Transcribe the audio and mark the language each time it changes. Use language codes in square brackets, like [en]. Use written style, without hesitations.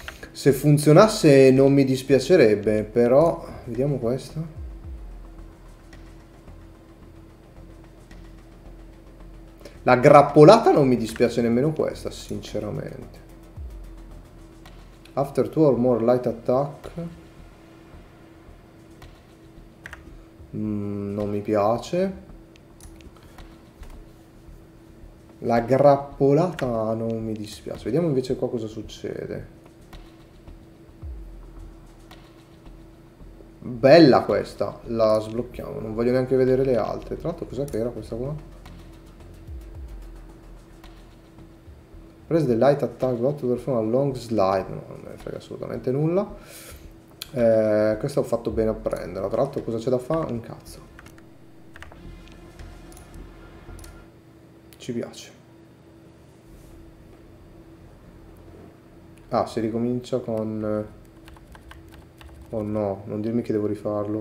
[it] Se funzionasse non mi dispiacerebbe, però vediamo questo. La grappolata non mi dispiace nemmeno questa, sinceramente. [en] After two or more light attack. [it] Non mi piace. La grappolata non mi dispiace. Vediamo invece qua cosa succede. Bella questa. La sblocchiamo. Non voglio neanche vedere le altre. Tra l'altro cos'è che era questa qua? [en] Press the light attack to perform a long slide. [it] No, non me ne frega assolutamente nulla. Questa ho fatto bene a prenderla. Tra l'altro cosa c'è da fare? Un cazzo. Ci piace. Ah, si ricomincia con... Oh no, non dirmi che devo rifarlo.